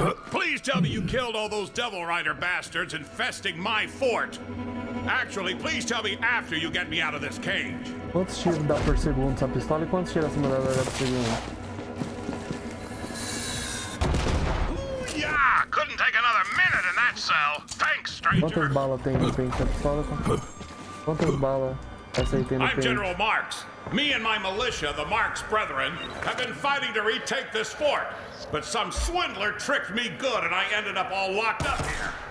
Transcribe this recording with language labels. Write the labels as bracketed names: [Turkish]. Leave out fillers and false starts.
[English] Please tell me you killed all those Devil Rider bastards infesting my fort. Actually, please tell me after you get me out of this cage. [Portuguese] Quantos tiros dá por segundo essa pistola e quantos tiros essa mulher dá por segundo? [English] Yeah, couldn't take another minute in that cell. Thanks, stranger. [Portuguese] Quantas balas tem no pente da pistola? Quantas balas essa aí tem no pente? [English] I'm General Marks. Me and my militia, the Marks Brethren, have been fighting to retake this fort. But some swindler tricked me good and I ended up all locked up here.